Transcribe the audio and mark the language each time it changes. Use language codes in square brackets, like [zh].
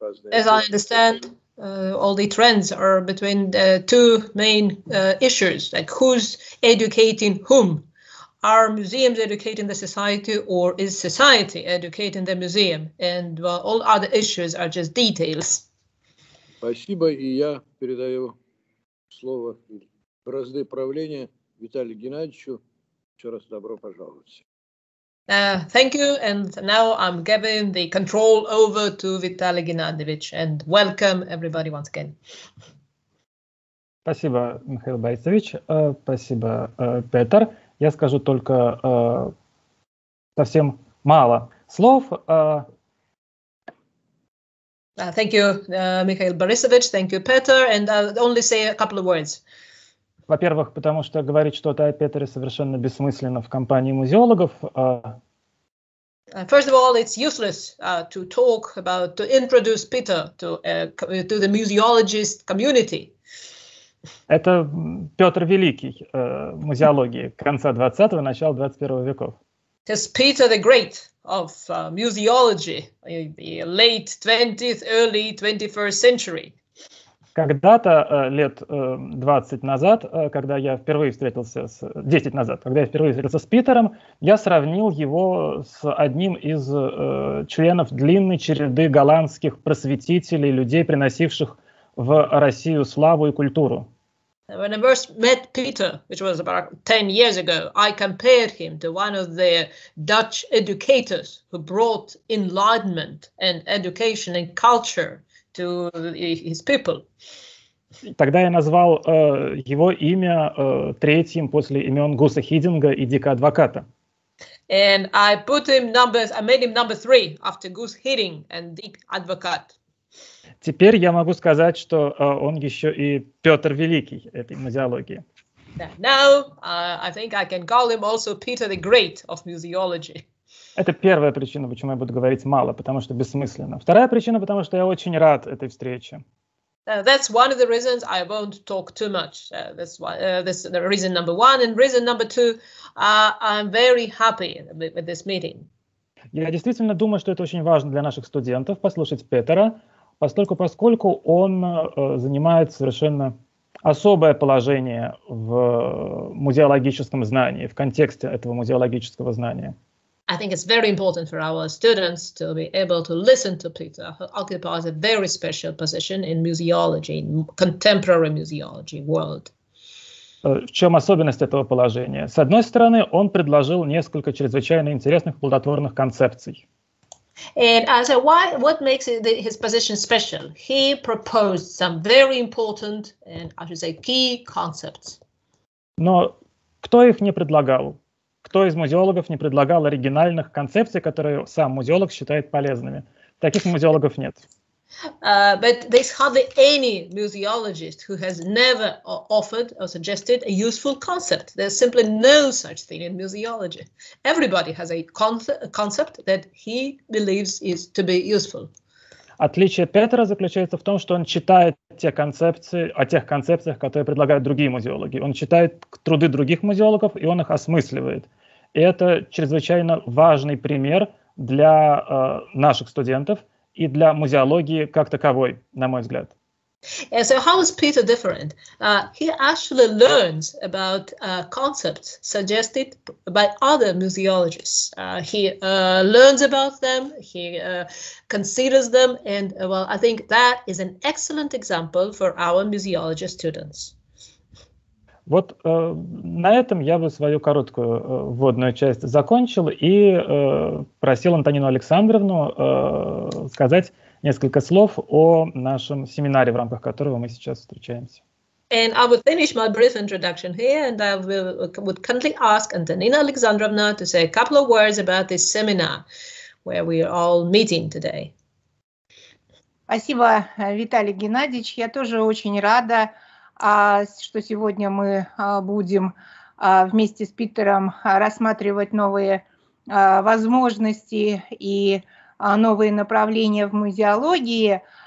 [en] As I understand, all the trends are between the two main issues, like who's educating whom. Are museums educating the society, or is society educating the museum? And well, all other issues are just details. [ru] Спасибо, и я передаю слово бразды правления Виталию Геннадьевичу. Еще раз добро пожаловать. [en] Thank you, and now I'm giving the control over to Vitaly Геннадьевич, and welcome everybody once again. [ru] Спасибо, Михаил Борисович. Спасибо, Петер. Я скажу только совсем мало слов. [en] Thank you, Михаил Борисович. Thank you, Петер, and I'll only say a couple of words. [ru] Во-первых, потому что говорить что-то о Петере совершенно бессмысленно в компании музеологов. [en] First of all, it's useless to talk about, to introduce Peter to the museologist community. [ru] Это Петр Великий, музеологии конца 20-го, начала 21-го веков. [en] It's Peter the Great of museology, the late 20th, early 21st century. [ru] Когда-то, лет 20 назад, когда я впервые встретился с... 10 назад, когда я впервые встретился с Питером, я сравнил его с одним из членов длинной череды голландских просветителей, людей, приносивших в Россию славу и культуру. [en] When I first met Peter, which was about 10 years ago, I compared him to one of the Dutch educators who brought enlightenment and education and culture to his people. [ru] Тогда я назвал его имя третьим после имен Гуса Хидинга и Дика Адвоката. [en] And I put him numbers, I made him number three after Gus Hiddink and Dick Advocaat. [ru] Теперь я могу сказать, что он еще и Петр Великий этой музеологии. [en] Now, I think I can call him also Peter the Great of museology. [ru] Это первая причина, почему я буду говорить мало, потому что бессмысленно. Вторая причина, потому что я очень рад этой встрече. [en] That's one of the reasons I won't talk too much. That's the reason number one. And reason number two, I'm very happy with this meeting. [ru] Я действительно думаю, что это очень важно для наших студентов послушать Петера, поскольку он занимает совершенно особое положение в музеологическом знании, в контексте этого музеологического знания. [en] I think it's very important for our students to be able to listen to Peter, who occupies a very special position in museology, in contemporary museology world. [ru] В чем особенность этого положения? С одной стороны, он предложил несколько чрезвычайно интересных плодотворных концепций. [en] And so what makes his position special? He proposed some very important and, I should say, key concepts. [ru] Но кто их не предлагал? Кто из музеологов не предлагал оригинальных концепций, которые сам музеолог считает полезными? Таких музеологов нет. [en] But there's hardly any museologist who has never offered or suggested a useful concept. There's simply no such thing in museology. Everybody has a concept that he believes is to be useful. [ru] Отличие Петера заключается в том, что он читает те концепции, о тех концепциях, которые предлагают другие музеологи. Он читает труды других музеологов, и он их осмысливает. И это чрезвычайно важный пример для наших студентов и для музеологии как таковой, на мой взгляд. [en] And so how is Peter different? He actually learns about concepts suggested by other museologists. He learns about them, he considers them, and well, I think that is an excellent example for our museology students. [ru] Вот на этом я бы свою короткую вводную часть закончил и просил Антонину Александровну сказать несколько слов о нашем семинаре, в рамках которого мы сейчас встречаемся. [en] And I would finish my brief introduction here, and I would kindly ask Антонина Александровна to say a couple of words about this seminar, where we are all meeting today. [ru] Спасибо, Виталий Геннадьевич. Я тоже очень рада что сегодня мы будем вместе с Питером рассматривать новые возможности и новые направления в музеологии.